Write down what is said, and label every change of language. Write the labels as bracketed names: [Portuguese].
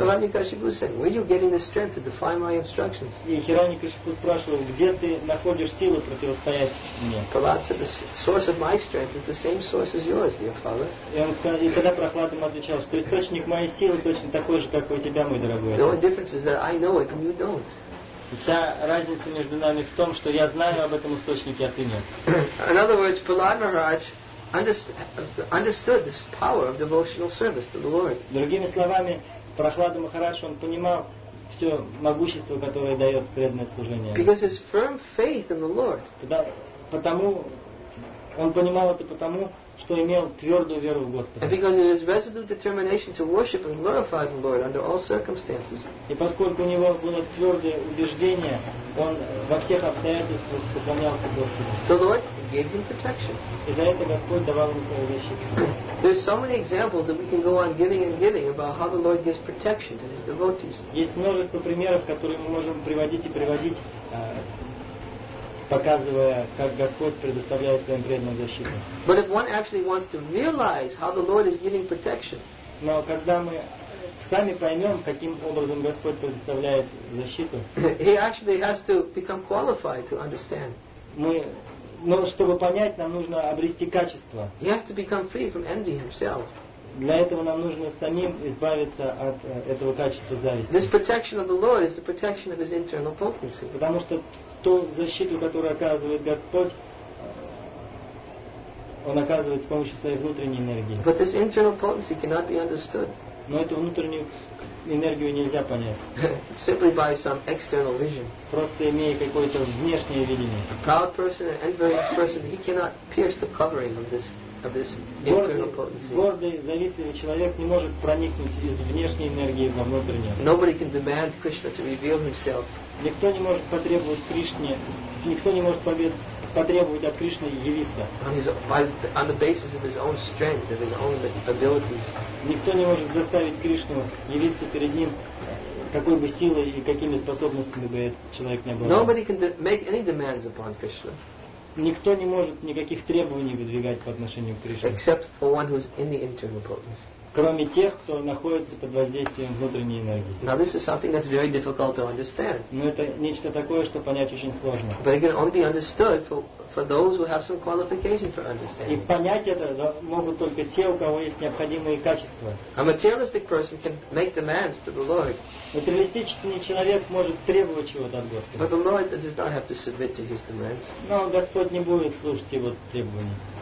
[English] So Hirani Kashipu said, "Where are you getting the strength to defy my instructions?" [Russian] И Хирани Кашипу спрашивал, где ты находишь силы противостоять мне? [English] Prahlad said, "The source of my strength is the same source as yours, dear father." [Russian] И он сказал, и тогда Прахлад ему отвечал, что источник моей силы точно такой же, как у тебя, мой дорогой. [English] The only difference is that I know it and you don't. [Russian] Вся разница между нами в том, что я знаю об этом источнике, а ты нет. [English] In other words, Prahlad Maharaj understood this power of devotional service to the Lord. [Russian] Другими словами, Прахлада Махарадж, он понимал все могущество, которое дает преданное служение. [English] Because his firm faith in the Lord. [Russian] Потому он понимал это потому, что имел твердую веру в Господа. [English] And because of his resolute determination to worship and glorify the Lord under all circumstances. [Russian] И поскольку у него было твердое убеждение, он во всех обстоятельствах поклонялся Господу. [English] The Lord gave him protection. [Russian] И за это Господь давал ему свою защиту. [English] There's so many examples that we can go on giving and giving about how the Lord gives protection to his devotees. [Russian] Есть множество примеров, которые мы можем приводить и приводить, показывая, как Господь предоставляет своим преданным защиту. [English] But if one actually wants to realize how the Lord is giving protection, [Russian] но когда мы сами поймем, каким образом Господь предоставляет защиту, [English] he actually has to become qualified to understand. [Russian] Но чтобы понять, нам нужно обрести качество. [English] He has to become free from envy himself. [Russian] Для этого нам нужно самим избавиться от этого качества зависти. [English] This protection of the Lord is the protection of his internal potency. [Russian] Потому что ту защиту, которую оказывает Господь, он оказывает с помощью своей внутренней энергии. [English] But this internal potency cannot be understood. [Russian] Но эту внутреннюю энергию нельзя понять. [English] Simply by some external vision. [Russian] Просто имея какое-то внешнее видение. [English] A proud person, an envious person, he cannot pierce the covering of this. [Russian] Гордый, завистливый человек не может проникнуть из внешней энергии во внутреннюю. [English] Nobody can demand Krishna to reveal himself. [Russian] Никто не может потребовать Кришне, никто не может потребовать от Кришны явиться. [English] On the basis of his own strength, of his own abilities. [Russian] Никто не может заставить Кришну явиться перед ним, какой бы силой и какими способностями бы этот человек ни был. [English] Nobody can make any demands upon Krishna. [Russian] Никто не может никаких требований выдвигать по отношению к Кришне. [English] Except for one who is in the internal potency. [Russian] Кроме тех, кто находится под воздействием внутренней энергии. [English] Now this is something that's very difficult to understand. [Russian] Но это нечто такое, что понять очень сложно. [English] But it can only be understood for those who have some qualification for understanding. [Russian] И понять это могут только те, у кого есть необходимые качества. [English] A materialistic person can make demands to the Lord. [Russian] Материалистический человек может требовать чего-то от Господа. [English] But the Lord does not have to submit to his demands. [Russian] Но Господь не будет слушать его требования.